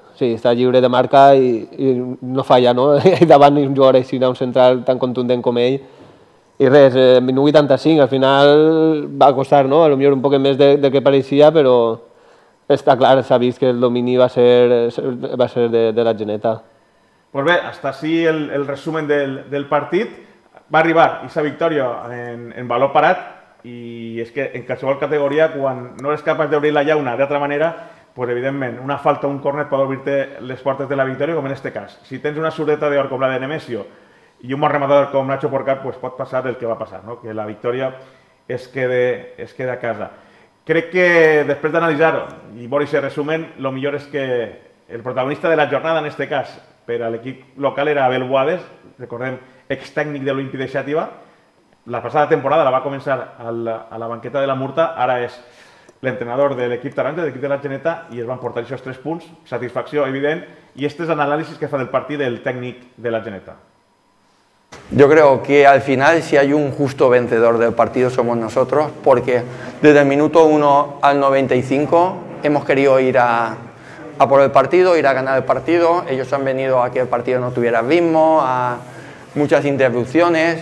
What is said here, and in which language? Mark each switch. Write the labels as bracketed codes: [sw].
[ca] Sí, està lliure de marca i no falla, no? I davant un jugador aixina, un central tan contundent com ell. I res, en 1985, al final va costar, no? A lo millor un poc més del que pareixia, però està clar, s'ha vist que el domini va ser de la Geneta. Pues bé, [es] hasta así el resumen [ca] del partit. Va arribar esa victòria en valor parat i és que en qualsevol categoria, quan no eres capaç d'obrir la llauna d'altra manera, pues evidentment una falta o un córner pot obrir-te les portes de la victòria, com en este cas. Si tens una surdeta d'or com la de Nemesio i un bon rematador com Nacho Porcar, pues pot passar el que va passar, no? Que la victòria es quede a casa. Crec que després d'analitzar i veure [es] ese resumen, [ca] lo millor és que el protagonista de la jornada en este cas per a l'equip local era Abel Boades, recordem, ex-tècnic de l'Olímpic de Xàtiva. La passada temporada la va començar a la banqueta de la Murta, ara és l'entrenador de l'equip taronja, de l'equip de la Geneta, i es van portar aquests tres punts, satisfacció evident, i este és l'anàlisi que fa del partit del tècnic de la Geneta. [es] Yo creo que al final, si hay un justo vencedor del partido, somos nosotros, porque desde el minuto 1 al 95 hemos querido ir a por el partido, ir a ganar el partido. Ellos han venido a que el partido no tuviera ritmo, a muchas interrupciones.